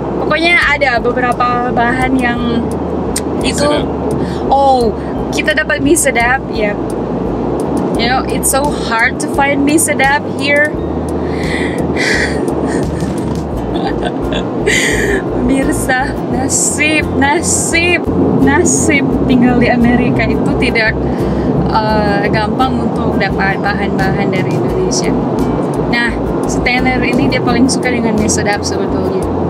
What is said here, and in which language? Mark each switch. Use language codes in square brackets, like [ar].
[id] Pokoknya ada beberapa bahan yang itu. Oh, kita dapat mie sedap, ya. Yeah. [en] You know, it's so hard to find mie sedap here. [id] Mirsa, nasib, nasib, nasib tinggal di Amerika itu tidak gampang untuk dapat bahan-bahan dari Indonesia. Nah, Stanner ini dia paling suka dengan mie sedap sebetulnya.